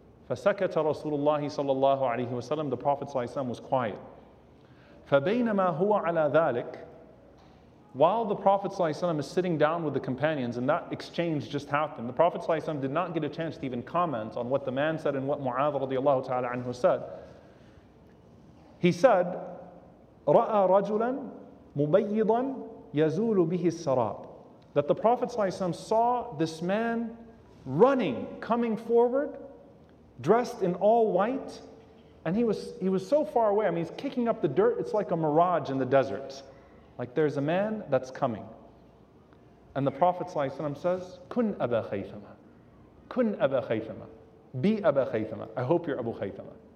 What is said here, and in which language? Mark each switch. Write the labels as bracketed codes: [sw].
[ar] فَسَكَتَ رَسُولُ اللَّهِ صَلَى اللَّهُ عَلَيْهِ وَسَلَّمُ. [en] The Prophet ﷺ was quiet. [ar] فَبَيْنَمَا هُوَ عَلَى ذَلِكَ. [en] While the Prophet ﷺ is sitting down with the companions and that exchange just happened, the Prophet ﷺ did not get a chance to even comment on what the man said and what Mu'adh radiallahu ta'ala anhu said. He said, [ar] رَأَى رَجُلًا مُبَيِّضًا يَزُولُ بِهِ السَّرَابِ. [en] That the Prophet ﷺ saw this man running, coming forward, dressed in all white, and he was so far away. I mean, he's kicking up the dirt. It's like a mirage in the desert. Like, there's a man that's coming. And the Prophet ﷺ says, [ar] Kun Aba Khaythama. Kun Aba Khaythama. [en] Be Aba Khaythama. I hope you're Abu Khaythama.